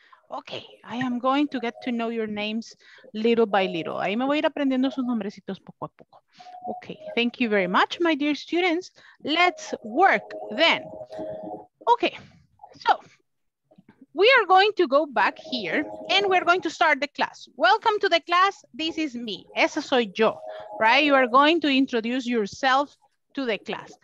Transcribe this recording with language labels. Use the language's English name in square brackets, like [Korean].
[English] Okay, I am going to get to know your names little by little. [Spanish] Ahí me voy a ir aprendiendo sus nombrecitos poco a poco. [English] Okay, thank you very much, my dear students. Let's work then. Okay, so we are going to go back here and we're going to start the class. Welcome to the class. This is me. [Spanish] Esa soy yo, [English] right? You are going to introduce yourself to the class.